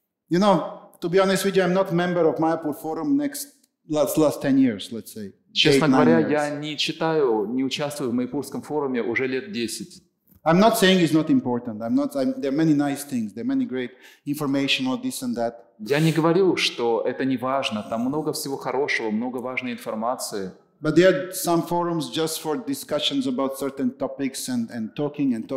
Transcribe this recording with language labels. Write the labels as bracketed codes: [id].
[en] You know, to be honest with you, I'm not a member of Mayapur Forum next last 10 years, let's say. [ru] Честно говоря, я не читаю, не участвую в Майпурском форуме уже лет 10. [en] I'm not saying it's not important. There are many nice things, there are many great information on this and that. [ru] Я не говорю, что это не важно. Там много всего хорошего, много важной информации. [en] But there are some forums just for discussions about certain topics and talking.